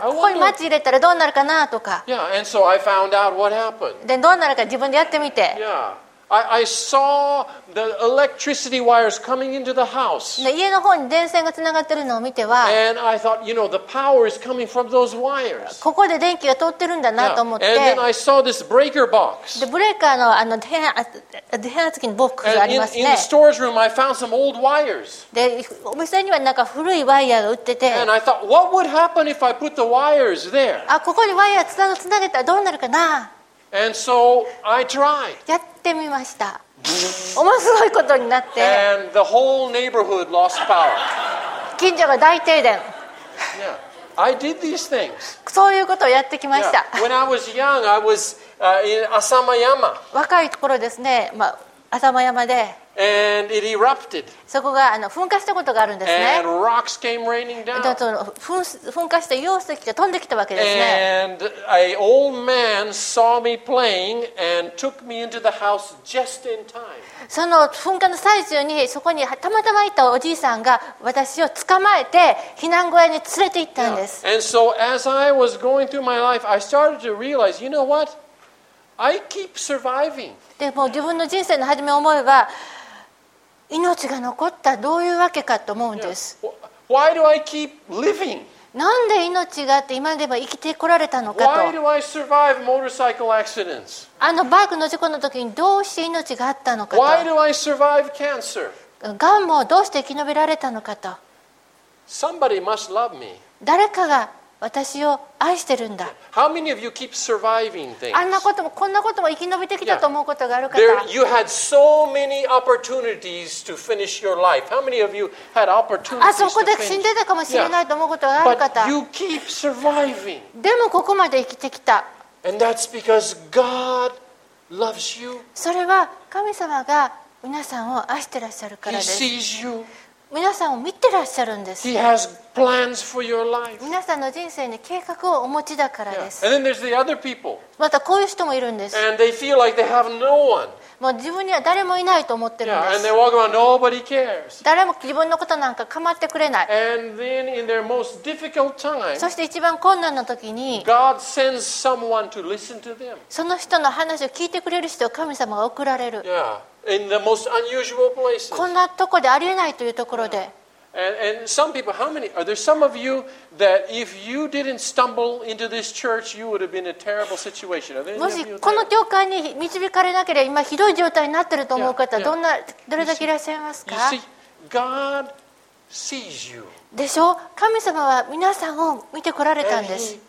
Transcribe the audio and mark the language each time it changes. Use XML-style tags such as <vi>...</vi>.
<ja>ここにマッチ入れたらどうなるかなとか。</ja> <en>Yeah, and so I found out what happened.</en> <ja>でどうなるか自分でやってみて。</ja> <en>Yeah. I saw the electricity wires coming into the house.</en> <ja>家の方に電線がつながってるのを見ては、</ja> <en>and I thought, you know, the power is coming from those wires.</en> <ja>ここで電気が通ってるんだなと思って、</ja> <en>and then I saw this breaker box.</en> <ja>でブレーカーの電圧器のボックスがありますね。</ja> <en>And in the storage room, I found some old wires.</en> <ja>でお店にはなんか古いワイヤーが売ってて、</ja> <en>and I thought, what would happen if I put the wires there?</en> <ja>あここにワイヤーつなげたらどうなるかな。</ja> <en>And so I tried.</en> <ja>やってみました。面白いことになって。</ja> <en>And the whole neighborhood lost power.</en> <ja>近所が大停電。</ja> <en>Yeah, I did these things.</en> <ja>そういうことをやってきました。</ja> <en>Yeah. When I was young, I was in Asamayama.</en> <ja>若い頃ですね、まあ、浅間山で。</ja> <en>And it erupted.</en> <ja>そこが噴火したことがあるんですね。</ja> <en>And rocks came raining down.</en> <ja>で、その噴火した溶石が飛んできたわけですね。</ja> <en>And a old man saw me playing and took me into the house just in time.</en> <ja>その噴火の最中にそこにたまたまいたおじいさんが私を捕まえて避難小屋に連れて行ったんです。</ja> <en>Yeah. And so as I was going through my life, I started to realize, you know what? I keep surviving.</en> <ja>でも自分の人生の初め思えば。命が残ったどういうわけかと思うんです。</ja> <en>Yeah. Why do I keep living?</en> <ja>なんで命があって今でも生きてこられたのかと。</ja> <en>Why do I survive motorcycle accidents?</en> <ja>あのバイクの事故の時にどうして命があったのかと。</ja> <en>Why do I survive cancer?</en> <ja>がんもどうして生き延びられたのかと。</ja> <en>Somebody must love me.</en> <ja>誰かが私を愛してるんだ。</ja> <en>How many of you keep surviving things?</en> <ja>あんなこともこんなことも生き延びてきたと思うことがある方。</ja> <en>There, you had so many opportunities to finish your life. How many of you had opportunities?</en> <ja>あそこで死んでたかもしれないと思うことがある方。</ja> <en>But you keep surviving.</en> <ja>でもここまで生きてきた。</ja> <en>And that's because God loves you.</en> <ja>それは神様が皆さんを愛してらっしゃるからです。</ja> <en>He sees you.</en> <ja>皆さんを見てらっしゃるんです。</ja> <en>He has plans for your life.</en> <ja>皆さんの人生に計画をお持ちだからです。</ja> <en>And then there's the other people.</en> <ja>またこういう人もいるんです。</ja> <en>And they feel like they have no one.</en> <ja>もう自分には誰もいないと思ってるんです。</ja> <en>Yeah, and they walk around, nobody cares.</en> <ja>誰も自分のことなんか構ってくれない。</ja> <en>And then in their most difficult time,</en> <ja>そして一番困難な時に、</ja> <en>God sends someone to listen to them.</en> <ja>その人の話を聞いてくれる人を神様が送られる。</ja> <en>Yeah. In the most unusual places.</en> <ja>こんなとこでありえないというところで。</ja> <en>And some people, how many? Are there some of you that if you didn't stumble into this church, you would have been in a terrible situation? Are there any of you there?</en> <ja>もしこの教会に導かれなければ今ひどい状態になってると思う方、どんなどれだけいらっしゃいますか？</ja> <en>You see, God sees you.</en> <ja>でしょ？神様は皆さんを見てこられたんです。</ja>